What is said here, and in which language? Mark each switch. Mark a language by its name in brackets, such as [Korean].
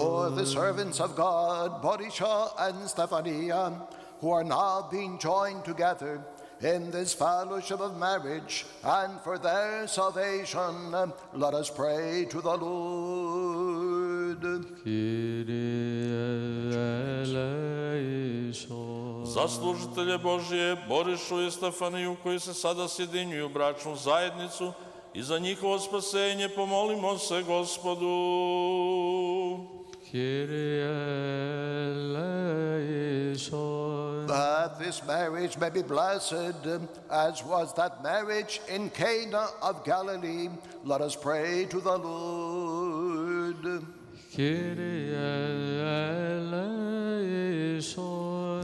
[English] For the servants of God, Borisa and Stefania, who are now being joined together in this fellowship of marriage, and for their salvation, let us pray to the Lord. [Greek] Kyrie eleison. [Serbian] За служителје Божије, Боришу и Стефанију, који се сада сједињују у брачну заједницу, и за њихово спасење помолимо се Господу. [Greek] Kyrie eleison. [English] That this marriage may be blessed, as was that marriage in Cana of Galilee, let us pray to the Lord. [Greek] Kyrie eleison.